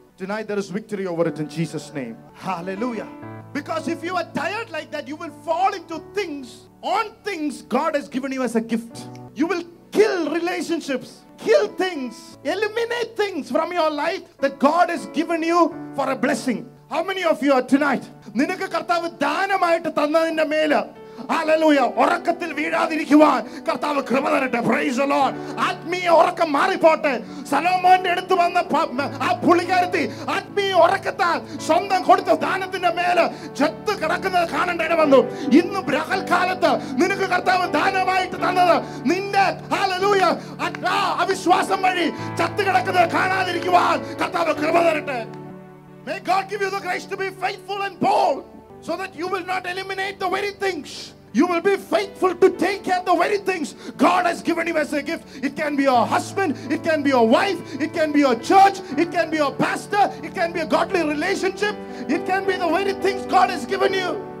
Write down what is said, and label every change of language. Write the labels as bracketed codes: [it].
[en] Tonight there is victory over it in Jesus' name. Hallelujah. Because if you are tired like that, you will fall into things, on things God has given you as a gift. You will kill relationships. kill things, eliminate things from your life that God has given you for a blessing. How many of you are tonight? [ml] നിനക്ക് കർത്താവ് ദാനമായിട്ട് തന്നതിന്റെ മേല് ഉറക്കത്തിൽ വീഴാതിരിക്കുവാൻ കർത്താവ് കൃപ തരട്ടെ. Praise the Lord. ആത്മീയ ഉറക്കം മാറിപ്പോട്ടെ. സലോമോന്റെ അടുത്ത് വന്ന ആ പുള്ളിക്കാരത്തി ആത്മീയ ഉറക്കത്താൽ സ്വന്തം കൊടുത്ത ദാനത്തിന്റെ മേല് ചത്ത് കിടക്കുന്നത് കാണേണ്ട ഇട വന്നു. ഇന്ന് ബ്രഹൽക്കാലത്ത് നിനക്ക് കർത്താവ് ദാനമായിട്ട് തന്നത് നിന്റെ ഹല്ലേലൂയ അവിശ്വാസം വഴി ചത്ത് കിടക്കുന്നത് കാണാതിരിക്കുവാൻ കർത്താവ് കൃപ തരട്ടെ. [en] May God give you the grace to be faithful and bold, so that you will not eliminate the very things. You will be faithful to take care of the very things God has given you as a gift. It can be your husband, it can be your wife, it can be your church, it can be your pastor, it can be a godly relationship, it can be the very things God has given you.